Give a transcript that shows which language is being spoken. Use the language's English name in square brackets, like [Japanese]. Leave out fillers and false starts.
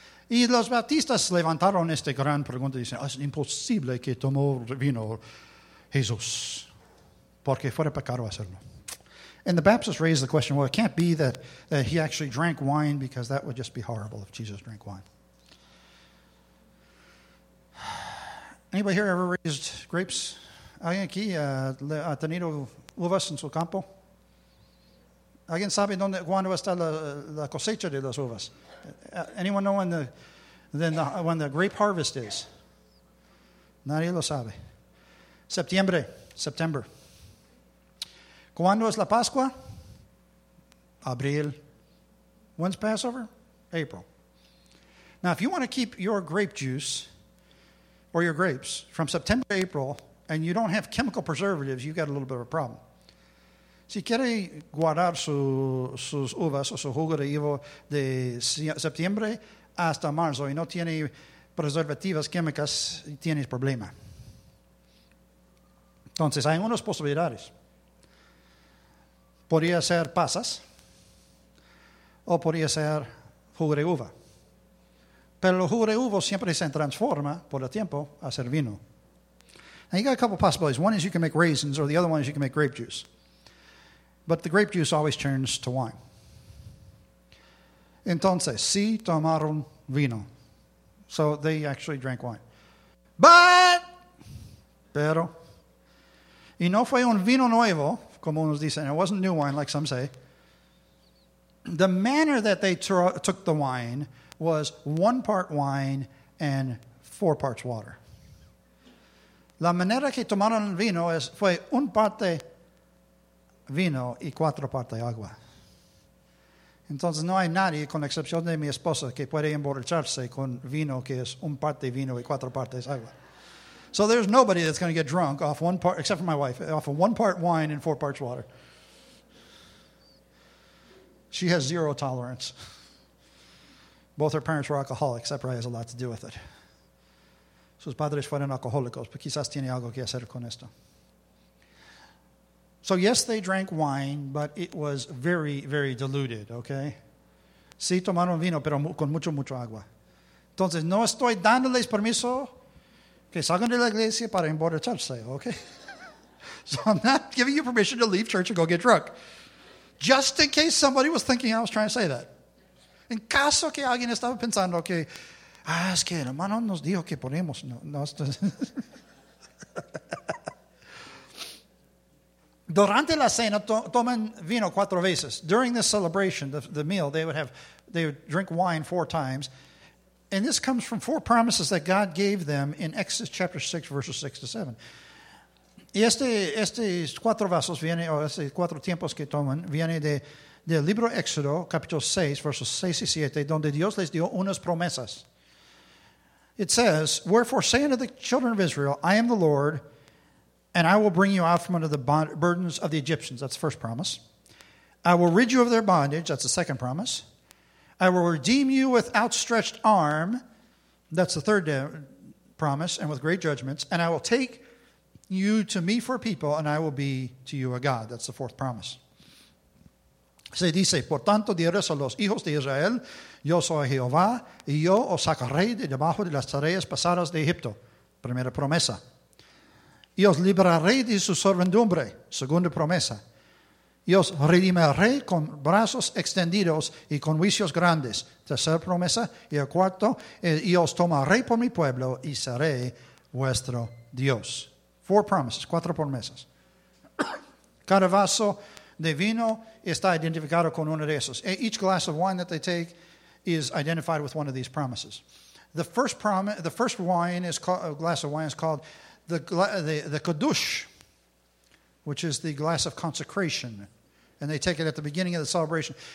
[Spanish] Y los bautistas levantaron esta gran pregunta y dicen, es imposible que tomó vino Jesús, porque fuera pecado hacerlo. [English] And the Baptists raised the question, well, it can't be that he actually drank wine, because that would just be horrible if Jesus drank wine. Anybody here ever raised grapes? [Spanish] ¿Alguien aquí ha tenido uvas en su campo? ¿Alguien sabe dónde, cuándo está la cosecha de las uvas? [English] Anyone know when the grape harvest is? [Spanish] Nadie lo sabe. September. ¿Cuándo es la Pascua? Abril. [English] When's Passover? April. Now, if you want to keep your grape juice or your grapes from September to April and you don't have chemical preservatives, you've got a little bit of a problem. [Spanish] Si quiere guardar sus uvas o su jugo de uva de septiembre hasta marzo y no tiene preservativas químicas, tiene problema. Entonces, hay unas posibilidades. Podría ser pasas o podría ser jugo de uva. Pero el jugo de uva siempre se transforma por el tiempo a ser vino. [English] Now, you got a couple possibilities. One is you can make raisins, or the other one is you can make grape juice. But the grape juice always turns to wine. [Spanish] Entonces, si tomaron vino. [English] So they actually drank wine. [Spanish] But, pero, y no fue un vino nuevo, como unos dicen, [English] it wasn't new wine, like some say. The manner that they took the wine was one part wine and four parts water. [Spanish] La manera que tomaron el vino fue un parte vino y cuatro partes agua. Entonces no hay nadie, con excepción de mi esposa, que puede emborracharse con vino que es un parte vino y cuatro partes agua. [English] So there's nobody that's going to get drunk off one part, except for my wife, off of one part wine and four parts water. She has zero tolerance. Both her parents were alcoholics. That probably has a lot to do with it. [Spanish] Sus padres fueron alcohólicos, pero quizás tiene algo que hacer con esto. [English] So yes, they drank wine, but it was very, very diluted, okay? [Spanish] Sí, tomaron vino, pero con mucho, mucho agua. Entonces, no estoy dándoles permiso que salgan de la iglesia para emborracharse, okay? [English] So I'm not giving you permission to leave church and go get drunk. Just in case somebody was thinking I was trying to say that. [Spanish] En caso que alguien estaba pensando que, ah, es que el hermano nos dijo que ponemos. No, esto es... Durante la cena, toman vino cuatro veces. [English] During this celebration, the meal, they would drink wine four times. And this comes from four promises that God gave them in Exodus chapter 6, verses 6 to 7. Y estos cuatro vasos viene, o estos cuatro tiempos que toman, viene del libro Éxodo, capítulo 6, versos 6 y 7, donde Dios les dio unas promesas. It says, wherefore say unto the children of Israel, I am the Lord, and I will bring you out from under the burdens of the Egyptians. That's the first promise. I will rid you of their bondage. That's the second promise. I will redeem you with outstretched arm. That's the third promise, and with great judgments. And I will take you to me for people, and I will be to you a God. That's the fourth promise. [Spanish] Se dice, por tanto, dirás a los hijos de Israel, yo soy Jehová, y yo os sacaré de debajo de las tareas pasadas de Egipto. Primera promesa. Y os libraré de su servidumbre. Segunda promesa. Y os redimiré con brazos extendidos y con juicios grandes. Tercera promesa. Y el cuarto, y os tomaré por mi pueblo y seré vuestro Dios. [English] Four promises, [Spanish] cuatro promesas. Cada vaso de vino está identificado con uno de esos. [English] Each glass of wine that they take is identified with one of these promises. The first glass of wine is called the Kiddush, which is the glass of consecration. And they take it at the beginning of the celebration.